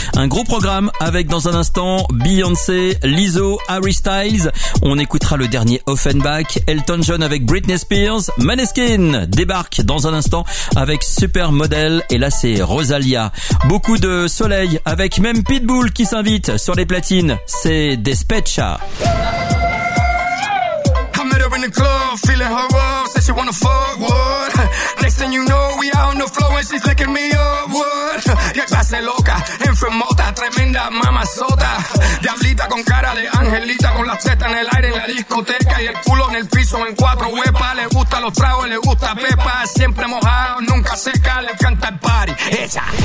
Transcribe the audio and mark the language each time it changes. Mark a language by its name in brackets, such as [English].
[French] Un gros programme avec dans un instant Beyoncé, Lizzo, Harry Styles. On écoutera le dernier Offenbach, Elton John avec Britney Spears. Maneskin débarque dans un instant avec Supermodel et là c'est Rosalia. Beaucoup de soleil avec même Pitbull qui s'invite sur les platines, c'est Despecha. [English] I met her in the club, feeling her up, said she wanna fuck, what? Next thing you know, we out on the floor and she's licking me up, what? [Spanish] Qué clase loca, enfermota, tremenda mamazota. Diablita con cara de angelita, con las tetas en el aire en la discoteca y el culo en el piso en cuatro huepas. Le gusta los tragos, le gusta pepa, siempre mojado, nunca seca, le encanta el party, echa.